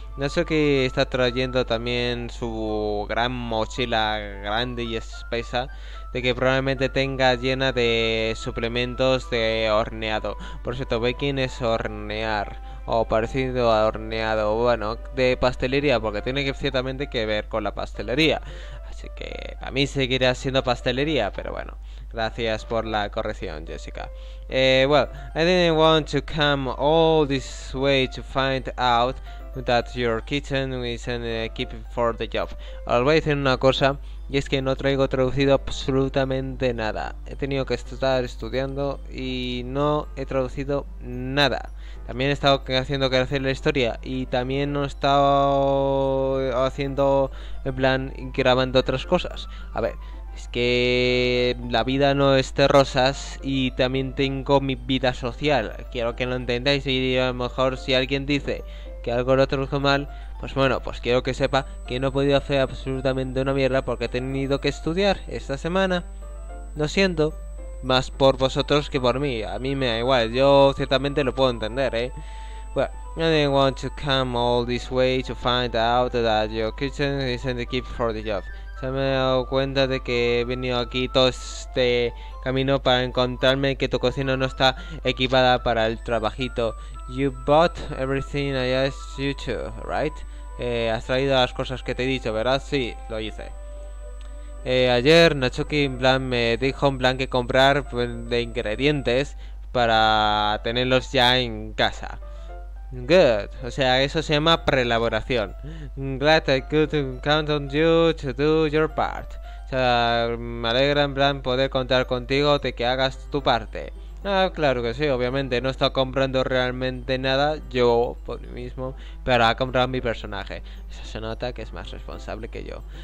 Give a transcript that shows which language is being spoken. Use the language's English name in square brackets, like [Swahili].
[Spanish] Natsuki está trayendo también su gran mochila grande y espesa, de que probablemente tenga llena de suplementos de horneado. Por cierto, baking es hornear, o parecido a horneado, bueno, de pastelería, porque tiene que ciertamente que ver con la pastelería. Así que a mí seguirá siendo pastelería, pero bueno. Gracias por la corrección, Jessica. [English] Well, I didn't want to come all this way to find out that your kitchen is an equipped for the job. [Spanish] Os voy a decir una cosa, y es que no traigo traducido absolutamente nada. He tenido que estar estudiando y no he traducido nada. También he estado haciendo crecer la historia y también no he estado haciendo, en plan, grabando otras cosas. A ver, es que la vida no es de rosas y también tengo mi vida social. Quiero que lo entendáis y a lo mejor si alguien dice que algo lo traduzco mal, Pues bueno, pues quiero que sepa que no he podido hacer absolutamente una mierda porque he tenido que estudiar esta semana. Lo siento, más por vosotros que por mí. A mí me da igual, yo ciertamente lo puedo entender, ¿eh? [English] Well, I didn't want to come all this way to find out that your kitchen isn't equipped for the job. [Spanish] Se me he dado cuenta de que he venido aquí todo este camino para encontrarme que tu cocina no está equipada para el trabajito. [English] You bought everything I asked you to, right? [Spanish] Has traído las cosas que te he dicho, ¿verdad? Sí, lo hice. Ayer Nachuki en plan me dijo en plan que comprar de ingredientes para tenerlos ya en casa. Good, o sea, eso se llama preelaboración. [English] Glad I could count on you to do your part. [Spanish] O sea, me alegra en plan poder contar contigo de que hagas tu parte. Ah, claro que sí, obviamente no he estado comprando realmente nada yo por mí mismo, pero ha comprado mi personaje. Eso se nota que es más responsable que yo.